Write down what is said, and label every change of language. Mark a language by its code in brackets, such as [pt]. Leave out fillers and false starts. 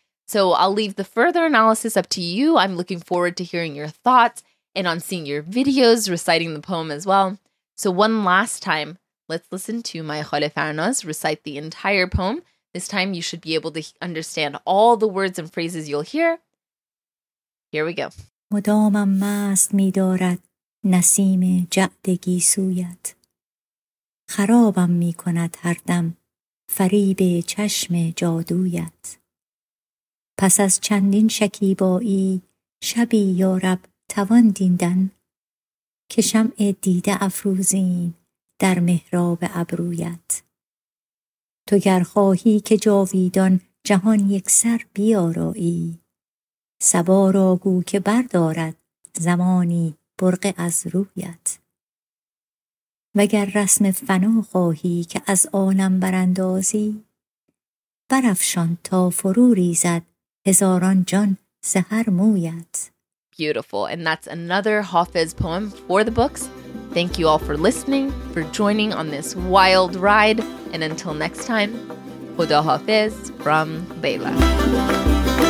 [en] So I'll leave the further analysis up to you. I'm looking forward to hearing your thoughts and on seeing your videos reciting the poem as well. So one last time, let's listen to my Khole Farnaz recite the entire poem. This time you should be able to understand all the words and phrases you'll hear. Here we go. [fa] مدامم مست می دارد نسیم جعد گیسویت خرابم می کند هر دم فریب چشم جادویت پس از چندین شکیبایی شبی یارب توان دیدن که شمع دیده افروزیم در محراب ابرویت تو گر خواهی که جاویدان جهان یک سر بیارایی سبا را گو که بردارد زمانی برقه از رویت وگر رسم فنا خواهی که از عالم براندازی برفشان تا فرو ریزد هزاران جان سهر مویت. [en] Beautiful. And that's another Hafez poem for the books. Thank you all for listening, for joining on this wild ride. And until next time, Khuda Hafez from Layla.